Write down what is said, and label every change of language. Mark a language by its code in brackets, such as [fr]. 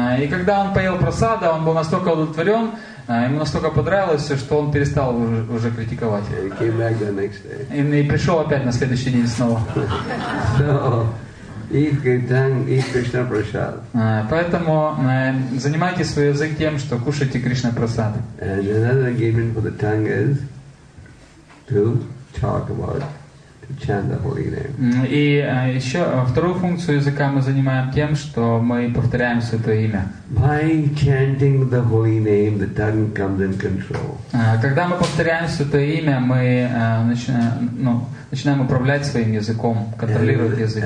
[ru] И когда он поел прасада, он был настолько удовлетворен, ему настолько понравилось все, что он перестал уже критиковать. [en] He came back the next day. [ru] И пришел опять на следующий день снова. [en] So, eat Kirtan, eat Krishna Prasad. [ru] Поэтому занимайте свой язык тем, что кушайте Кришна Прасад. [en] And another engagement for the tongue is to talk about, to chant the holy name. [ru] И еще вторую функцию языка мы занимаем тем, что мы повторяем Святое Имя. [en] By chanting the holy name, the tongue comes in control. [ru] Когда мы повторяем Святое Имя, мы начинаем, ну, начинаем управлять своим языком, контролировать